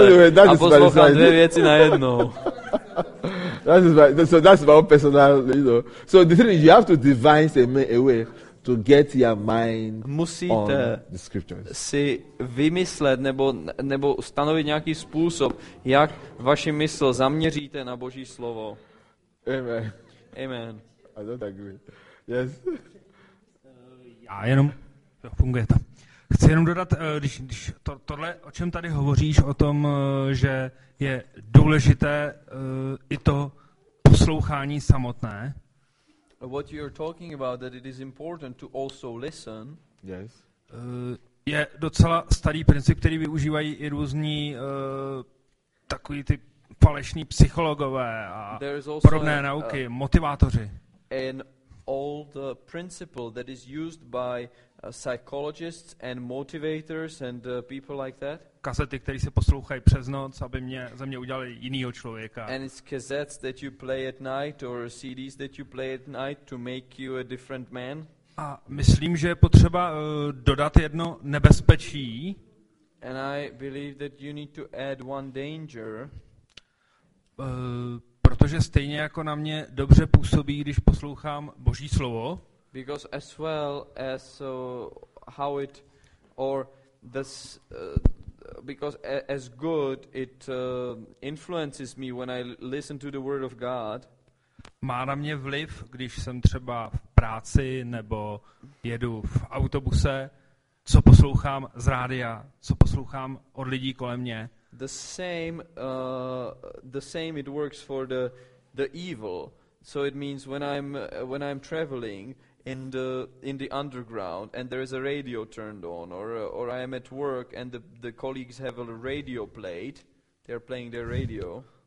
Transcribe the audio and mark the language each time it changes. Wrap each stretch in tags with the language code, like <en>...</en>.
<en>Anyway,</en> <cs>a poslouchám dvě věci najednou.</cs> <en>That's my own personal, you know. So the thing is, you have to devise a way to get your mind</en> <cs>musíte</cs> <en>on the scriptures.</en> <cs>Si vymyslet nebo stanovit nějaký způsob, jak vaši mysl zaměříte na Boží slovo. Amen. Amen.</cs> <en>I don't agree. Yes.</en> <cs>Já jenom, jo, funguje to. Chci jenom dodat, když to, tohle, o čem tady hovoříš, o tom, že je důležité i to poslouchání samotné,</cs> <en>what you're talking about, that it is important to also listen. Yes.</en> <cs>Je docela starý princip, který využívají i různí takový ty falešní psychologové a podobné nauky, motivátoři.</cs> <en>An old principle that is used by psychologists and motivators and people like that.</en> <cs>Kazety, které se poslouchají přes noc, aby ze mě udělali jinýho člověka.</cs> <en>And it's cassettes that you play at night or CDs that you play at night to make you a different man.</en> <cs>A myslím, že je potřeba dodat jedno nebezpečí.</cs> <en>And I believe that you need to add one danger.</en> <cs>Protože stejně jako na mě dobře působí, když poslouchám Boží slovo.</cs> <en>Because as well as how it or this because as good it influences me when I listen to the word of God.</en> <cs>Má na mě vliv, když jsem třeba v práci nebo jedu v autobuse, co poslouchám z rádia, co poslouchám od lidí kolem mě.</cs> <en>The same it works for the evil. So it means when I'm traveling in the underground and there is a radio turned on or I am at work and the colleagues have a radio played, they're playing their radio.</en>